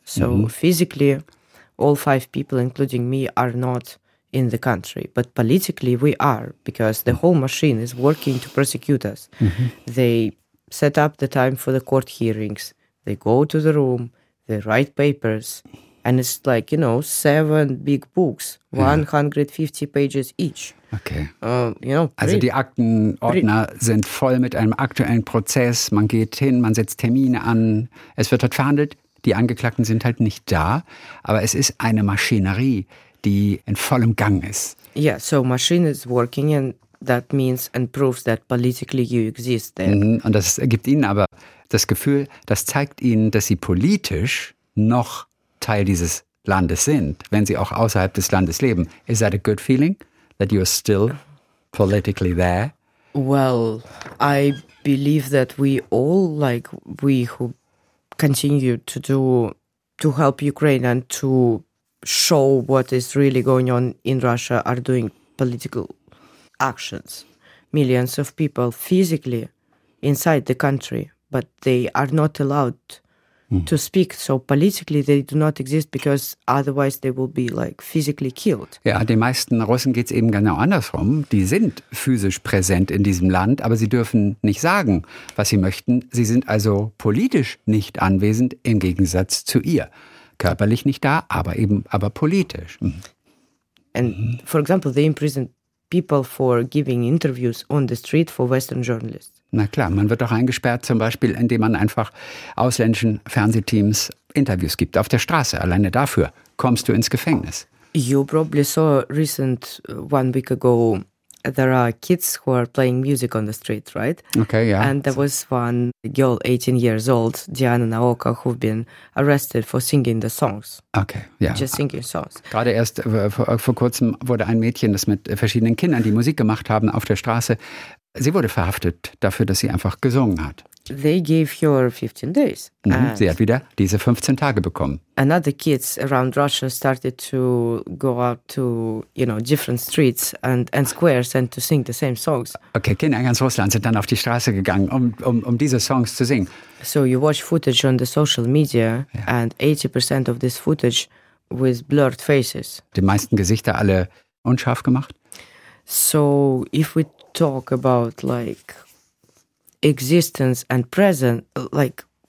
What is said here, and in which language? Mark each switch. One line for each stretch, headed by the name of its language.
English: So physically, all five people, including me, are not in the country, but politically we are, because the whole machine is working to persecute us. They set up the time for the court hearings, they go to the room, they write papers, and it's like, you know, seven big books, 150 pages each. Okay. You know,
German: also die Aktenordner sind voll mit einem aktuellen Prozess, man geht hin, man setzt Termine an, es wird dort verhandelt, die Angeklagten sind halt nicht da, aber es ist eine Maschinerie, die in vollem Gang ist.
English: Yeah, so machine is working and that means and proves that politically you exist there.
German: Und das ergibt Ihnen aber das Gefühl, das zeigt Ihnen, dass Sie politisch noch Teil dieses Landes sind, wenn Sie auch außerhalb des Landes leben.
English: Is that a good feeling, that you are still politically there? Well, I believe that we all, like we who continue to do, to help Ukraine and to show what is really going on in Russia are doing political actions. Millions of people physically inside the country, but they are not allowed to speak. So politically they do not exist, because otherwise they will be like physically killed.
German: Ja, den meisten Russen geht's eben genau andersrum. Die sind physisch präsent in diesem Land, aber sie dürfen nicht sagen, was sie möchten. Sie sind also politisch nicht anwesend im Gegensatz zu ihr. Körperlich nicht da, aber eben, aber politisch.
English: And for example, they imprison people for giving interviews on the street for Western journalists.
German: Na klar, man wird doch eingesperrt, zum Beispiel, indem man einfach ausländischen Fernsehteams Interviews gibt auf der Straße. Alleine dafür kommst du ins Gefängnis.
English: You probably saw recent, one week ago, there are kids who are playing music on the street, right? Okay, yeah. And there was one girl, 18 years old, Diana Naoka, who've been arrested for singing the songs. Okay, yeah. Just singing songs.
German: Gerade erst vor kurzem wurde ein Mädchen, das mit verschiedenen Kindern die Musik gemacht haben auf der Straße, sie wurde verhaftet dafür, dass sie einfach gesungen hat.
English: They gave her 15 days.
German: Sie hat wieder diese 15 Tage bekommen.
English: Another kids around Russia started to go out to, you know, different streets and squares and to sing the same songs.
German: Okay, Kinder in ganz Russland sind dann auf die Straße gegangen, um diese Songs zu singen.
English: So you watch footage on the social media and 80% of this footage with blurred faces.
German: Die meisten Gesichter alle unscharf gemacht.
English: So if we talk about like existence and present, like